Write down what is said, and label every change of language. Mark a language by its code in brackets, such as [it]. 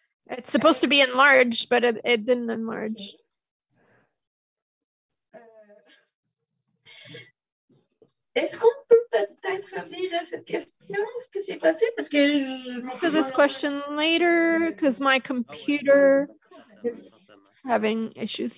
[en] It's supposed to be enlarged, but it didn't enlarge. [fr] Est-ce qu'on peut peut-être revenir à cette question? Est-ce que c'est possible? Parce que [en] to this question later, because my computer is having issues.